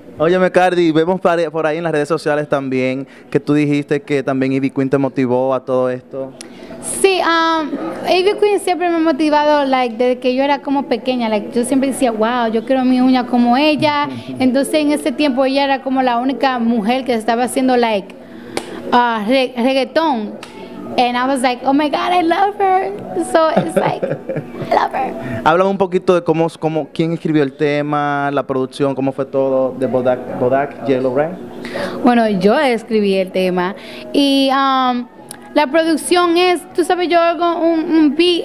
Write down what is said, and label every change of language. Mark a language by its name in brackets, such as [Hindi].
[Spanish] Óyeme, Cardi, vemos por ahí en las redes sociales también que tú dijiste que también Ivy Queen te motivó a todo esto. Sí, Ivy Queen siempre me ha motivado, desde que yo era como pequeña. Yo siempre decía, wow, yo quiero mi uña como ella. Entonces, en ese tiempo, ella era como la única mujer que estaba haciendo, reggaetón. [English] And I was like, oh my God, I love her. So it's like, I love her. [Spanish] Habla un poquito de quién escribió el tema, la producción, cómo fue todo de Bodak Yellow Ray. Bueno, yo escribí el tema. Y la producción es, tú sabes, yo hago un beat.